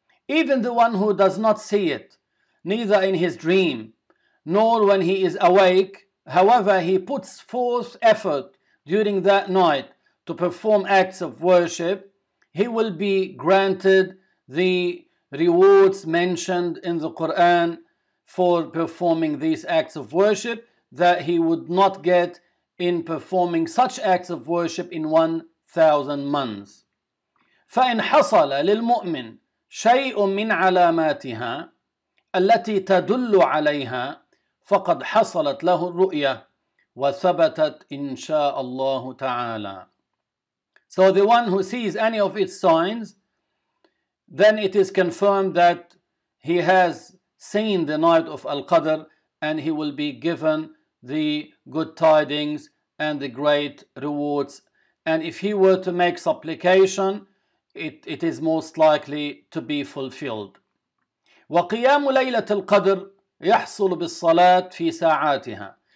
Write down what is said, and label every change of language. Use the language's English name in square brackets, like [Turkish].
[English] Even the one who does not see it, neither in his dream nor when he is awake, however, he puts forth effort during that night to perform acts of worship, he will be granted the rewards mentioned in the Quran for performing these acts of worship that he would not get in performing such acts of worship in 1,000 months. [Arabic] فإن حصل للمؤمن شيء من علاماتها التي تدل عليها فقد حصلت له الرؤية وثبتت إن شاء الله تعالى. [English] So the one who sees any of its signs, then it is confirmed that he has seen the night of Al-Qadr and he will be given the good tidings and the great rewards. And if he were to make supplication, it is most likely to be fulfilled. [Arabic] وقيام ليلة القدر يحصل بالصلاة في ساعاتها.